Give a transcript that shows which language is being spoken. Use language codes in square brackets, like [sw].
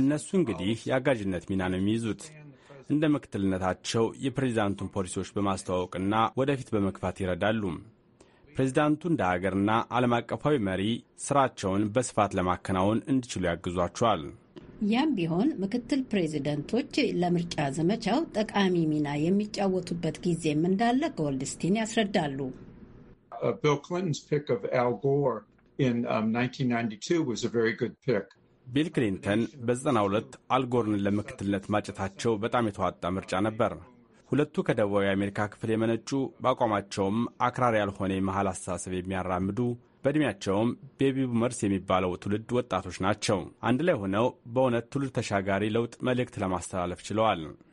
[am] እነሱ እንግዲህ ያጋጅነት ሚና ነው የሚይዙት። እንደ ምክትልነታቸው የፕሬዝዳንቱን ፖሊሲዎች በማስተዋወቅና ወደፊት በመክፋት ይረዳሉ። ፕሬዝዳንቱ እንደ ሀገርና ዓለም አቀፋዊ መሪ ስራቸውን በስፋት ለማከናወን እንዲችሉ ያግዟቸዋል። ያም ቢሆን ምክትል ፕሬዝዳንቶች ለምርጫ ዘመቻው ጠቃሚ ሚና የሚጫወቱበት ጊዜም እንዳለ ጎልድስቲን ያስረዳሉ። [en] Bill Clinton's pick of Al Gore in 1992 was a very good pick. [am] Bill Clinton በ92 Al Gore-ን ለምክትልነት ማጨታቸው በጣም የተዋጣ ምርጫ ነበር። ሁለቱ ከደቡብ አሜሪካ ክፍል የመነጩ በአቋማቸውም አክራሪ ያልሆነ የመሃል አስተሳሰብ የሚያራምዱ በእድሜያቸውም ቤቢ ቡመርስ የሚባለው ትውልድ ወጣቶች ናቸው። አንድ ላይ ሆነው በእውነት ትውልድ ተሻጋሪ ለውጥ መልእክት ለማስተላለፍ ችለዋል።